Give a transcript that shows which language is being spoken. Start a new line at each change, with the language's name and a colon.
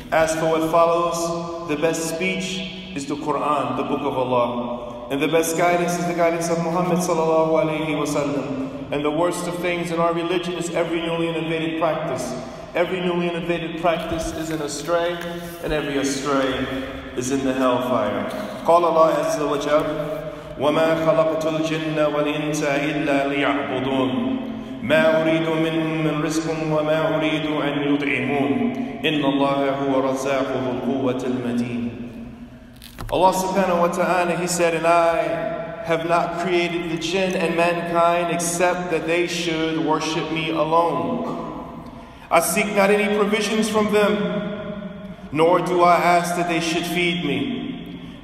English: As for what follows, the best speech is the Quran, the Book of Allah. And the best guidance is the guidance of Muhammad sallallahu alayhi wa sallam. And the worst of things in our religion is every newly innovated practice. Every newly innovated practice is an astray, and every astray is in the hellfire.
Arabic: قال الله عز وجل وما خلقت الجن والإنس إلا ليعبدون ما أريد منهم من رزق وما أريد أن يطعمون إن الله هو رزاق ذو القوة المتين.
English: Allah subhanahu wa ta'ala, He said, and I have not created the jinn and mankind except that they should worship me alone. I seek not any provisions from them, nor do I ask that they should feed me.